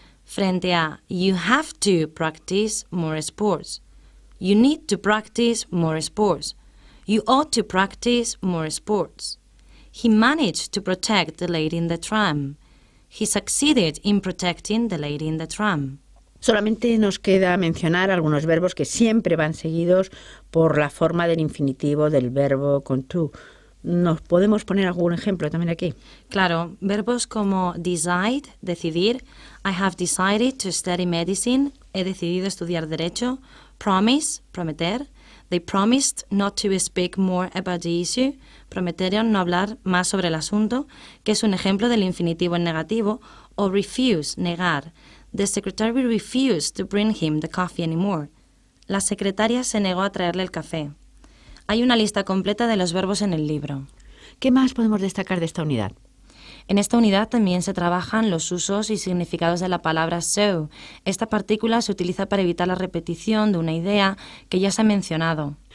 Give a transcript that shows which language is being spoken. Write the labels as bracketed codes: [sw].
[es] Frente a [en] you have to practice more sports. You need to practice more sports. You ought to practice more sports. He managed to protect the lady in the tram. He succeeded in protecting the lady in the tram. [es] Solamente nos queda mencionar algunos verbos que siempre van seguidos por la forma del infinitivo del verbo con to. ¿Nos podemos poner algún ejemplo también aquí? Claro, verbos como [en] decide, decidir. I have decided to study medicine. [es] He decidido estudiar derecho. Promise, prometer. [en] They promised not to speak more about the issue. [es] Prometieron no hablar más sobre el asunto, que es un ejemplo del infinitivo en negativo. O refuse, negar. [en] The secretary refused to bring him the coffee anymore. [es] La secretaria se negó a traerle el café. Hay una lista completa de los verbos en el libro. ¿Qué más podemos destacar de esta unidad? En esta unidad también se trabajan los usos y significados de la palabra so. Esta partícula se utiliza para evitar la repetición de una idea que ya se ha mencionado.